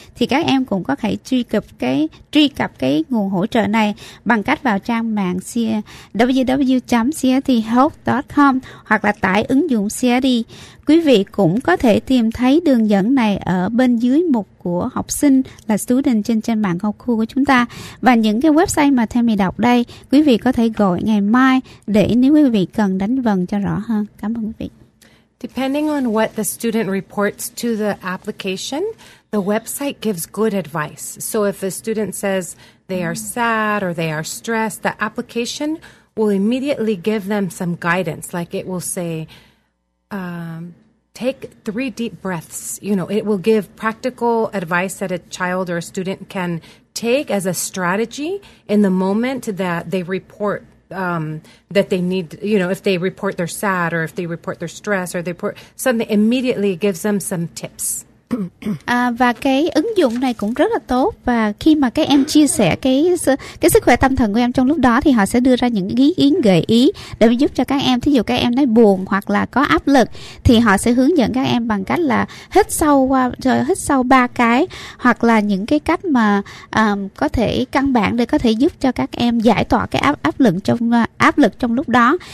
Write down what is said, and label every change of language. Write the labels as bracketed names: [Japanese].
[Vietnamese] Thì các em cũng có thể truy cập cái nguồn hỗ trợ này bằng cách vào trang mạng www.cshealth.com hoặc là tải ứng dụng CSD. Quý vị cũng có thể tìm thấy đường dẫn này ở bên dưới mục của học sinh là student trên mạng học khu của chúng ta. Và những cái website mà Tammy đọc đây, quý vị có thể gọi ngày mai để nếu quý vị cần đánh vần cho rõ hơn. Cảm ơn quý vị. [English] Depending on what the student reports to the application, the website gives good advice. So if the student says they are sad or they are stressed, the application will immediately give them some guidance. Like it will say, take 3 deep breaths. You know, it will give practical advice that a child or a student can take as a strategy in the moment that they report that they need, you know, if they report they're sad or if they report they're stressed or they report something, immediately gives them some tips. [Vietnamese] Và cái ứng dụng này cũng rất là tốt, và khi mà các em chia sẻ cái sức khỏe tâm thần của em trong lúc đó thì họ sẽ đưa ra những ý kiến gợi ý để giúp cho các em, thí dụ các em nói buồn hoặc là có áp lực thì họ sẽ hướng dẫn các em bằng cách là hít sâu 3 cái, hoặc là những cái cách mà có thể căn bản để có thể giúp cho các em giải tỏa cái áp lực trong lúc đó.